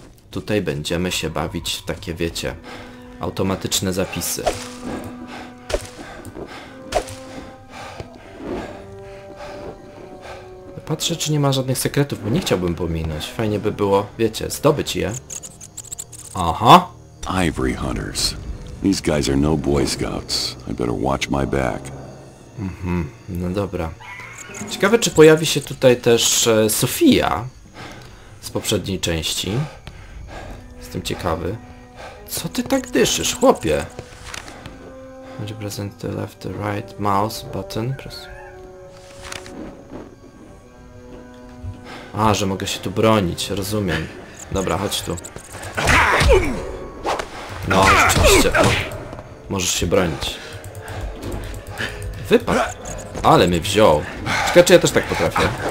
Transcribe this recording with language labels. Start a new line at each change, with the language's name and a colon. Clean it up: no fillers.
Polish: Tutaj będziemy się bawić w takie, wiecie, automatyczne zapisy. Patrzę, czy nie ma żadnych sekretów, bo nie chciałbym pominąć. Fajnie by było, wiecie, zdobyć je. Aha!
English: Ivory hunters. These guys are no boy scouts. I better watch my back.
Polish: Mhm, no dobra. Ciekawe, czy pojawi się tutaj też Sofia z poprzedniej części. Jestem ciekawy. Co ty tak dyszysz, chłopie? Będzie
English: present the left, the right, mouse, button, press.
Polish: A, że mogę się tu bronić, rozumiem. Dobra, chodź tu. No, rzeczywiście. O, możesz się bronić. Wypadł. Ale mnie wziął. Czekaj, czy ja też tak potrafię?